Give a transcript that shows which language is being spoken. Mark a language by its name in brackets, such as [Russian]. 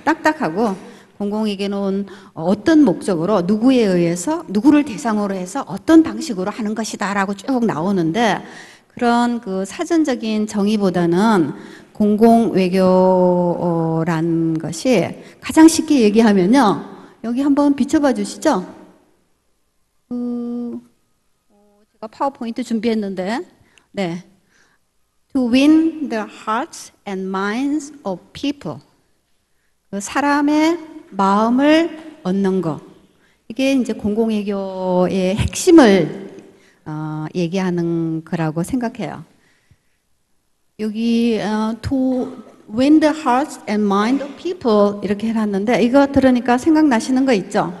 [Korean] 딱딱하고 공공외교는 어떤 목적으로 누구에 의해서 누구를 대상으로 해서 어떤 방식으로 하는 것이다라고 쭉 나오는데 그런 사전적인 정의보다는 공공외교란 것이 가장 쉽게 얘기하면요. 여기 한번 비춰봐 주시죠. 제가 파워포인트 준비했는데. 네. [English] To win the hearts and minds of people. [Korean] 사람의 마음을 얻는 것. 이게 이제 공공외교의 핵심을 얘기하는 거라고 생각해요. 여기 [English] to win the hearts and mind of people [Korean] 이렇게 해놨는데 이거 들으니까 생각나시는 거 있죠?